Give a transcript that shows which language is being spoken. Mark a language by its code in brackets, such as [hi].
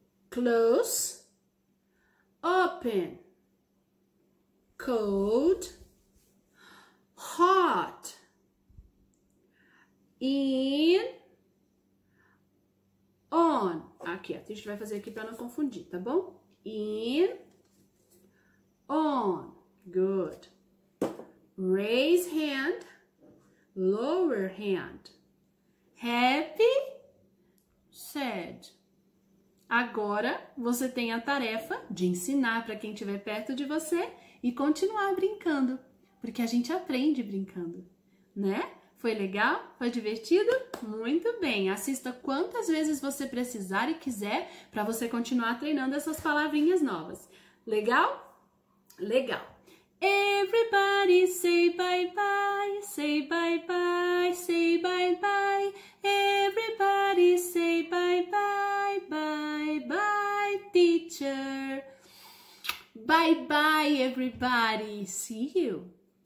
[en] Close, open, cold, hot, in, on. [pt] Aqui, a gente vai fazer aqui para não confundir, tá bom? [en] In, on. Good. Raise hand, lower hand. Happy, sad. [pt] Agora você tem a tarefa de ensinar para quem estiver perto de você e continuar brincando, porque a gente aprende brincando, né? Foi legal? Foi divertido? Muito bem! Assista quantas vezes você precisar e quiser para você continuar treinando essas palavrinhas novas. Legal? Legal! [en] Everybody say bye bye, say bye bye, say bye bye. Everybody say bye bye, bye bye, teacher. Bye bye, everybody. See you.